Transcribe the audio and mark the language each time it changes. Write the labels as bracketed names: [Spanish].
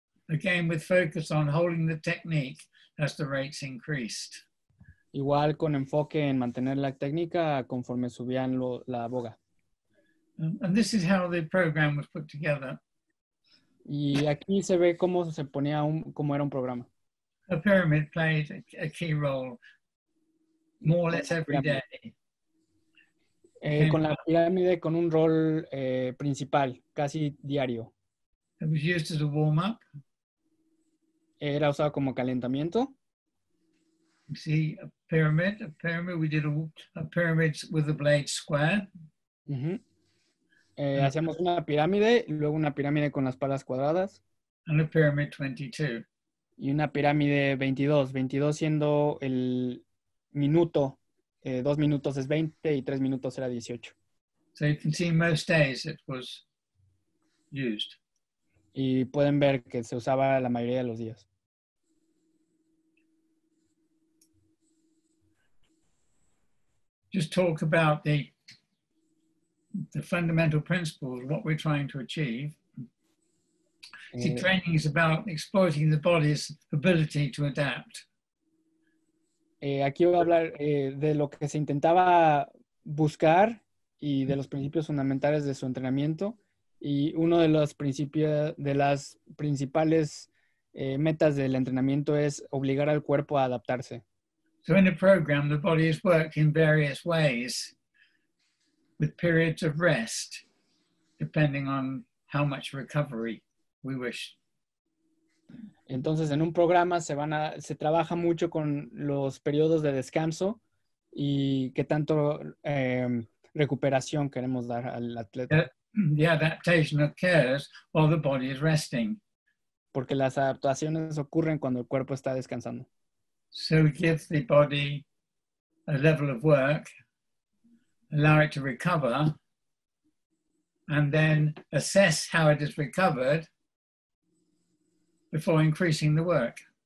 [English] Again, with focus on holding the technique as the rates increased. [Spanish] Igual con enfoque en mantener la técnica conforme subían la boga. [English] And this is how the program was put together. [Spanish] Y aquí se ve cómo se ponía cómo era un programa. [English] A pyramid played a key role more or less every day. [Spanish] Con la pirámide con un rol principal, casi diario. [English] It was used as a warm-up. [Spanish] Era usado como calentamiento. [English] You see, a pyramid, we did a pyramid with the blade square. Uh-huh. [Spanish] Hacíamos una pirámide, luego una pirámide con las palas cuadradas. [English] And a pyramid 22. [Spanish] Y una pirámide 22, 22 siendo el minuto. 2 minutos es 20 y 3 minutos era 18. [English] So you can see most days it was used. [Spanish] Y pueden ver que se usaba la mayoría de los días. [English] Just talk about the fundamental principles, what we're trying to achieve. See, training is about exploiting the body's ability to adapt. [Spanish] Aquí voy a hablar de lo que se intentaba buscar y de los principios fundamentales de su entrenamiento. Y uno de los principios, de las principales metas del entrenamiento es obligar al cuerpo a adaptarse. [English] So in a program, the body has worked in various ways with periods of rest, depending on how much recovery we wish. [Spanish] Entonces, en un programa se trabaja mucho con los periodos de descanso y qué tanto recuperación queremos dar al atleta. [English] The adaptation occurs while the body is resting. [Spanish] Porque las adaptaciones ocurren cuando el cuerpo está descansando. [English] So we give the body a level of work, allow it to recover, and then assess how it has recovered before increasing the work.